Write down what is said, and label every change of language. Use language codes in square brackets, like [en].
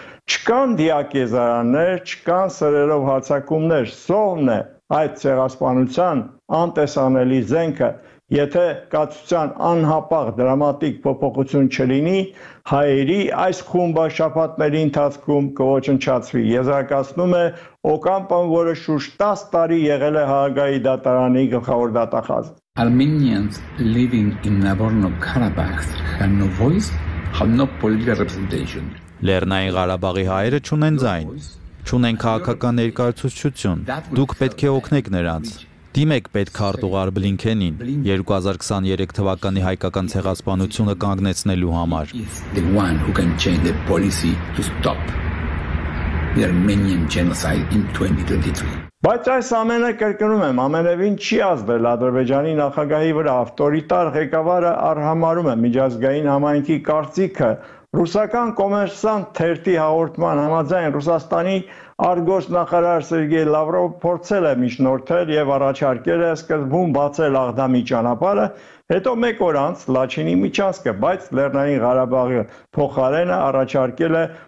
[hy] Չկան դիակեզարաններ, չկան սրերով հարձակումներ, սովն է այդ ցեղասպանության անտեսանելի զենքը, եթե կացության անհապաղ դրամատիկ փոփոխություն չլինի, հայերի այս խումբը շաբաթների ընթացքում կոչնչացվի։ Եզրակացնում է Օկամպոն, որը շուրջ 10 տարի եղել է Հաղագայի դատարանի գլխավոր դատախազ։ [en] Armenians living in Nagorno-Karabakh have no voice, have no political representation. [hy] Լեռնային Ղարաբաղի հայերը չունեն ձայն, չունեն քաղաքական ներկայացուցչություն։ Դուք պետք է օգնեք նրանց։ Դիմեք պետք Արտուղար Բլինքենին 2023 թվականի հայկական ցեղասպանությունը կանգնեցնելու համար։ [en] The one who can change the policy to stop the Armenian genocide in 2023. [hy] Բայց այս ամենը կրկնում եմ, ամենևին չի ազդել Ադրբեջանի նախագահի վրա, ավտորիտար ղեկավարը արհամարում է միջազգային համայնքի կարծիքը։ Ռուսական Կոմերսանտ թերթի հաղորդման համաձայն Ռուսաստանի արգոս նախարար Սերգեյ Լավրովը փորձել է միջնորդել և առաջարկել է սկզբում բացել Աղդամի ճանապարհը, հետո մեկ օր անց Լաչինի միջանցքը, բայց Լեռնային Ղարաբաղի փոխարենը առաջարկել է